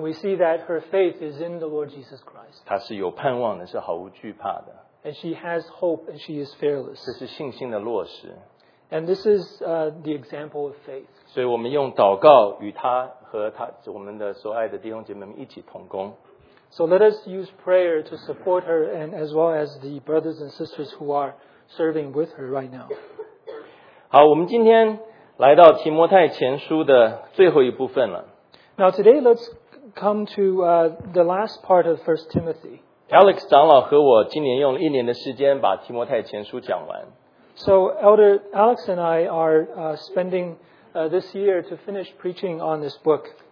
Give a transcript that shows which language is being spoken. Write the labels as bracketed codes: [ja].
[en] we see that her faith is in the Lord Jesus Christ. [zh] 她是有盼望的，是毫无惧怕的。 [en] And she has hope, and she is fearless. [zh] 这是信心的落实。 [en] And this is the example of faith. [zh] 所以我们用祷告与他和他我们的所爱的弟兄姐妹们一起同工。 [en] So let us use prayer to support her and as well as the brothers and sisters who are serving with her right now. [zh] 好，我们今天来到提摩太前书的最后一部分了。 [en] Now today let's come to the last part of 1 Timothy. [zh] Alex 长老和我今年用了1年的时间把提摩太前书讲完。 [en] So Elder Alex and I are spending this year to finish preaching on this book.